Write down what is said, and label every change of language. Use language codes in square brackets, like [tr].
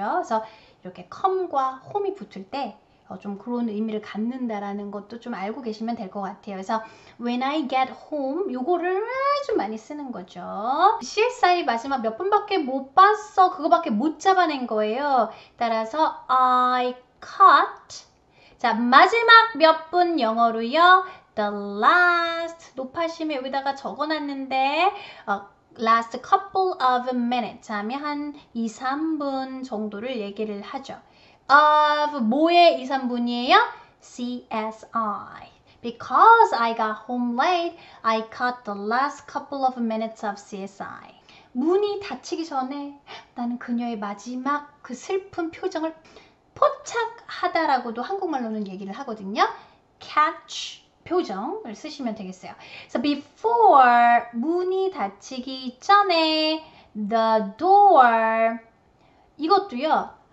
[ko] 그래서 이렇게 come과 home이 붙을 때좀 그런 의미를 갖는다라는 것도 좀 알고 계시면 될것 같아요. 그래서 [en] when I get home [ko] 요거를 아주 많이 쓰는 거죠. CSI 마지막 몇 분밖에 못 봤어. 그거밖에 못 잡아낸 거예요. 따라서 [en] I caught. [ko] 자, 마지막 몇분 영어로요? [en] The last. [ko] 높아심에 여기다가 적어놨는데 [en] last couple of minutes. [ko] 하면 한 2, 3분 정도를 얘기를 하죠. of 뭐의 2, 3분이에요? CSI. [en] Because I got home late, I caught the last couple of minutes of CSI. [ko] 문이 닫히기 전에 나는 그녀의 마지막 그 슬픈 표정을 포착하다라고도 한국말로는 얘기를 하거든요. catch 표정을 쓰시면 되겠어요. [en] So before [ko] 문이 닫히기 전에 [en] the door [ko] 이것도요.